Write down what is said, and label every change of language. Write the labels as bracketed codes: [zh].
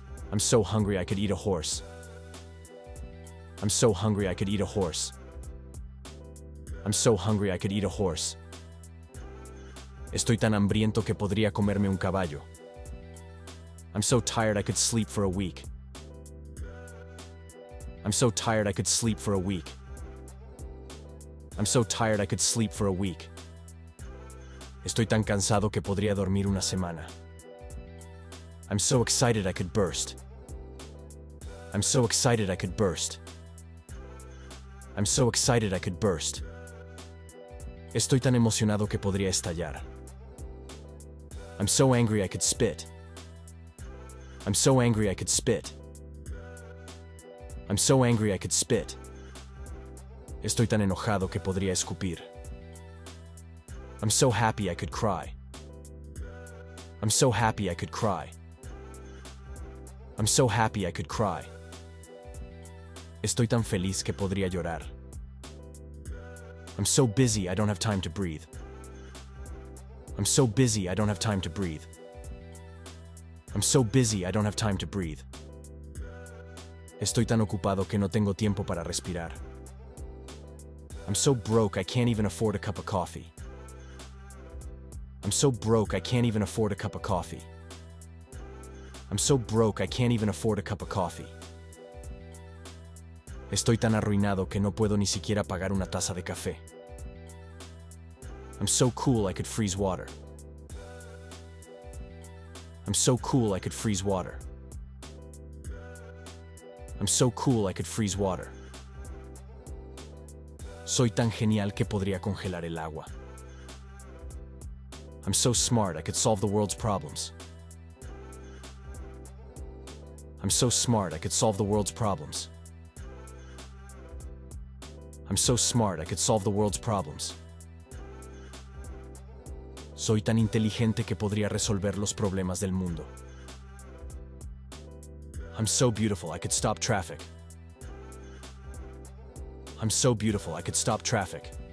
[en] I'm so hungry I could eat a horse. I'm so hungry I could eat a horse. I'm so hungry I could eat a horse. [es] Estoy tan hambriento que podría comerme un caballo. [en] I'm so tired I could sleep for a week. I'm so tired I could sleep for a week. I'm so tired I could sleep for a week. [es] Estoy tan cansado que podría dormir una semana. [en] I'm so excited I could burst. I'm so excited I could burst. I'm so excited I could burst. [es] Estoy tan emocionado que podría estallar. [en] I'm so angry I could spit. I'm so angry I could spit. I'm so angry I could spit. [es] Estoy tan enojado que podría escupir. [en] I'm so happy I could cry. I'm so happy I could cry. I'm so happy I could cry. [es] Estoy tan feliz que podría llorar. [en] I'm so busy I don't have time to breathe. I'm so busy I don't have time to breathe. I'm so busy I don't have time to breathe. [es] Estoy tan ocupado que no tengo tiempo para respirar. [en] I'm so broke I can't even afford a cup of coffee. I'm so broke I can't even afford a cup of coffee. I'm so broke I can't even afford a cup of coffee. [es] Estoy tan arruinado que no puedo ni siquiera pagar una taza de café. [en] I'm so cool I could freeze water. I'm so cool I could freeze water. I'm so cool I could freeze water. [es] Soy tan genial que podría congelar el agua. [en] I'm so smart I could solve the world's problems. I'm so smart I could solve the world's problems. I'm so smart I could solve the world's problems. [es] Soy tan inteligente que podría resolver los problemas del mundo. [en] I'm so beautiful I could stop traffic. I'm so beautiful I could stop traffic.